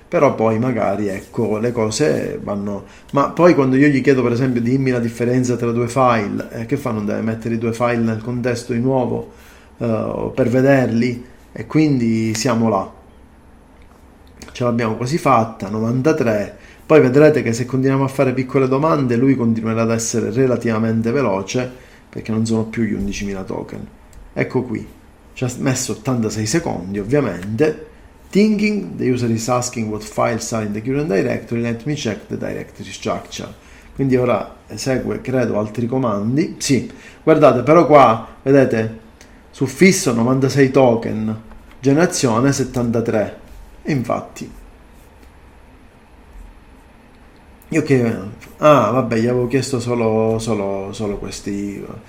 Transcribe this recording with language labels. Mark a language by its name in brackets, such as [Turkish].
[Italian] Però poi magari ecco le cose vanno. Ma poi quando io gli chiedo per esempio dimmi la differenza tra due file, che fa? Non deve mettere i due file nel contesto di nuovo per vederli? E quindi siamo là. Ce l'abbiamo quasi fatta, 93. Poi vedrete che se continuiamo a fare piccole domande lui continuerà ad essere relativamente veloce perché non sono più gli 11.000 token. Ecco qui, ci ha messo 86 secondi ovviamente. [English] Thinking, the user is asking what files are in the current directory, let me check the directory structure. [Italian] Quindi ora esegue, credo, altri comandi. Sì, guardate, però qua, vedete, suffisso 96 token, generazione 73. E infatti. Ok, ah, vabbè, gli avevo chiesto solo questi.